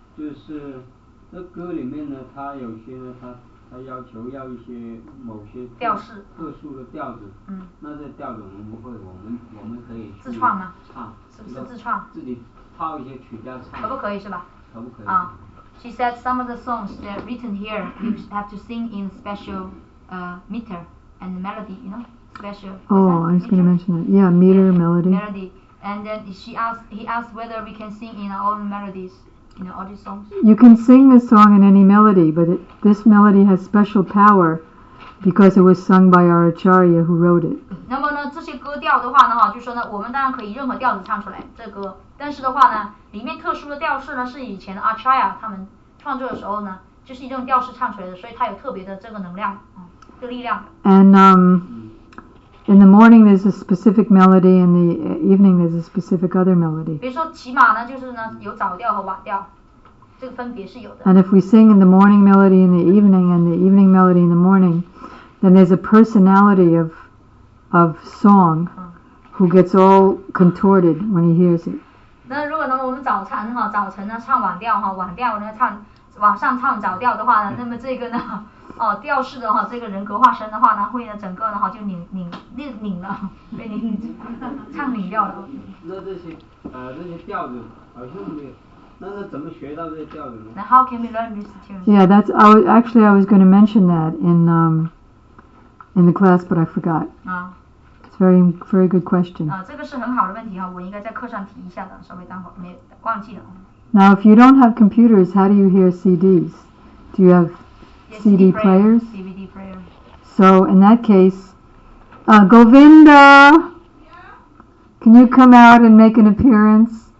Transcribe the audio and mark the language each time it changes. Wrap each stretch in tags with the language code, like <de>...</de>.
<zh>就是那歌里面呢，它有些呢，它要求要一些某些调式，特殊的调子。嗯。那这调子我们会，我们可以自创吗？唱。是不是自创？自己。可不可以是吧？可不可以？</zh> <en>啊 ，She said some of the songs that are written here, you have to sing in special meter and melody, you know, special. Oh, I was going to mention that. Yeah, meter, melody. Melody, and then he asked whether we can sing in all melodies, you know, all these songs. You can sing this song in any melody, but this melody has special power because it was sung by our acharya who wrote it.</en> <zh>那么呢，这些歌调的话呢，哈，就说呢，我们当然可以任何调子唱出来这歌。但是的话呢，里面特殊的调式呢，是以前的 Acharya 他们创作的时候呢，就是一种调式唱出来的，所以它有特别的这个能量，这个力量。</zh> <en>And in the morning there's a specific melody, in the evening there's a specific other melody.</en> <zh>比如说骑马呢，就是呢有早调和晚调，这个分别是有的。</zh> <en>And if we sing in the morning melody in the evening and the evening melody in the morning, then there's a personality of song who gets all contorted when he hears it.</en> <zh>那如果呢，我们早晨哈，早晨呢唱晚调哈，晚调呢唱晚上唱早调的话呢，那么这个呢，哦调式的哈，这个人格化身的话呢，会呢整个呢哈就拧了，被拧唱拧掉了。那这些调子好像没有，那是怎么学到这些调子呢？</zh> <en>那 how can we learn this tune? Yeah, that's I was going to mention that in the class, but I forgot. Very, very good question.</en> <zh>啊，这个是很好的问题哈，我应该在课上提一下的，稍微待会儿没忘记了。</zh> <en>Now, if you don't have computers, how do you hear CDs? Do you have CD players? DVD So in that case, Govinda, can you come out and make an appearance?</en>